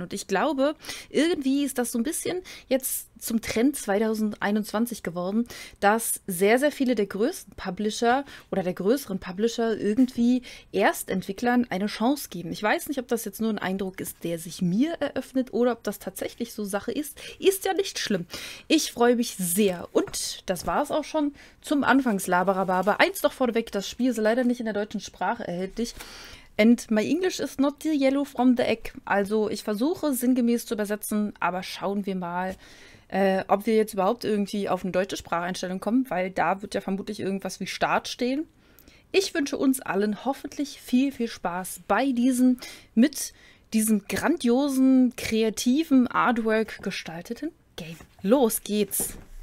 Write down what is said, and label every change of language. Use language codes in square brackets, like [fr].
[de] Und ich glaube, irgendwie ist das so ein bisschen jetzt zum Trend 2021 geworden, dass sehr, sehr viele der größten Publisher oder der größeren Publisher irgendwie Erstentwicklern eine Chance geben. Ich weiß nicht, ob das jetzt nur ein Eindruck ist, der sich mir eröffnet oder ob das tatsächlich so Sache ist. Ist ja nicht schlimm. Ich freue mich sehr. Und das war es auch schon zum Anfangslaberababa. Eins doch vorweg, das Spiel ist leider nicht in der deutschen Sprache erhältlich. [en] And my English is not the yellow from the egg. [de] Also ich versuche sinngemäß zu übersetzen, aber schauen wir mal, ob wir jetzt überhaupt irgendwie auf eine deutsche Spracheinstellung kommen, weil da wird ja vermutlich irgendwas wie Start stehen. Ich wünsche uns allen hoffentlich viel Spaß bei diesem, mit diesem grandiosen, kreativen Artwork gestalteten Game. Los geht's!